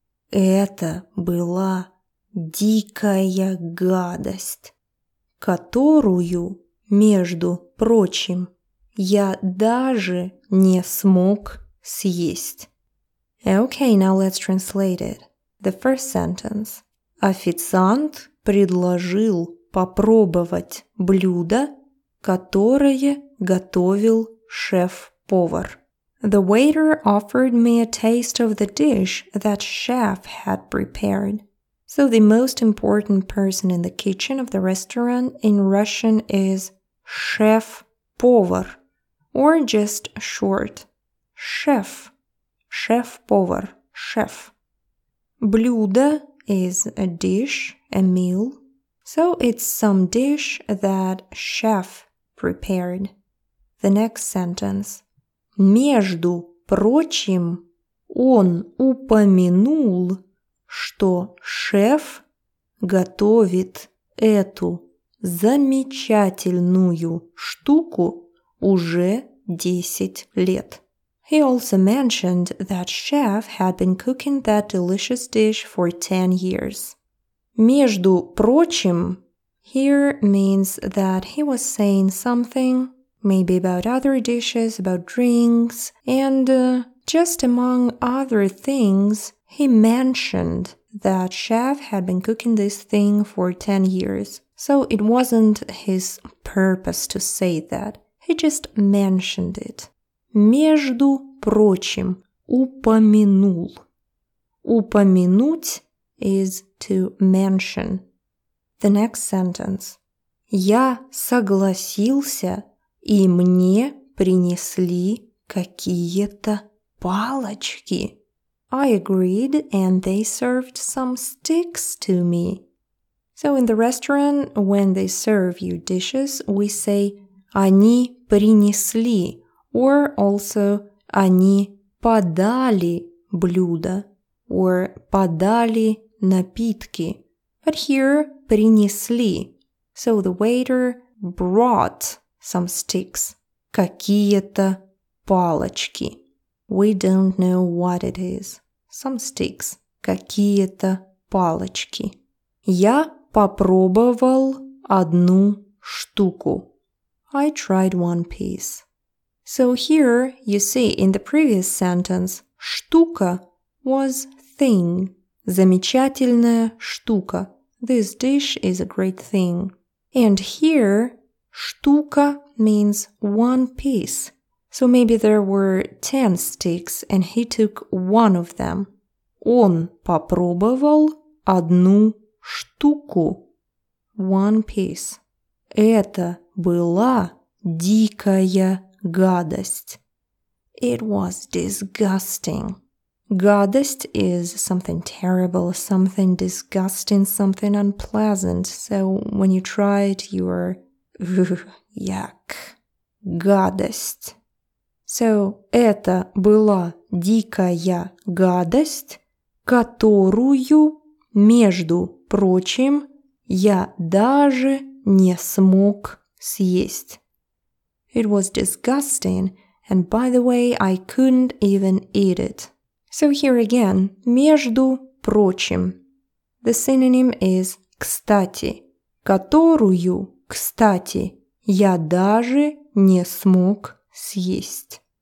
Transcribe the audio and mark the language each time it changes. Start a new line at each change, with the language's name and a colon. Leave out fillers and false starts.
Russian: Это была дикая гадость, которую, между прочим, я даже не смог съесть.
English: Okay, now let's translate it. The first sentence.
Russian: Официант предложил попробовать блюдо, которое готовил шеф-повар.
English: The waiter offered me a taste of the dish that chef had prepared. So the most important person in the kitchen of the restaurant in Russian is шеф-повар. Or just short, chef, шеф-повар, chef. Блюдо is a dish, a meal. So it's some dish that chef prepared. The next sentence.
Russian: Между прочим, он упомянул, что шеф готовит эту замечательную штуку уже 10 лет.
English: He also mentioned that chef had been cooking that delicious dish for 10 years.
Russian: Между прочим,
English: here means that he was saying something, maybe about other dishes, about drinks, and just among other things, he mentioned that chef had been cooking this thing for 10 years. So it wasn't his purpose to say that. He just mentioned it.
Russian: Между прочим, упомянул.
English: Упомянуть is to mention. The next sentence.
Russian: Я согласился, и мне принесли какие-то палочки.
English: I agreed, and they served some sticks to me. So in the restaurant, when they serve you dishes, we say
Russian: они принесли,
English: or also
Russian: они подали блюдо,
English: or
Russian: подали напитки.
English: But here, принесли. So the waiter brought some sticks.
Russian: Какие-то палочки.
English: We don't know what it is. Some sticks.
Russian: Какие-то палочки. Я попробовал одну штуку.
English: I tried one piece. So here, you see, in the previous sentence, штука was thing.
Russian: Замечательная штука.
English: This dish is a great thing. And here, штука means one piece. So maybe there were 10 sticks and he took one of them.
Russian: Он попробовал одну штуку.
English: One piece.
Russian: Это была дикая гадость.
English: It was disgusting. Гадость is something terrible, something disgusting, something unpleasant. So when you try it, you're yuck.
Russian: Гадость. So это была дикая гадость, которую, между прочим, я даже не смог съесть.
English: It was disgusting, and by the way, I couldn't even eat it. So here again,
Russian: между прочим.
English: The synonym is кстати,
Russian: которую, кстати, я даже не смог съесть.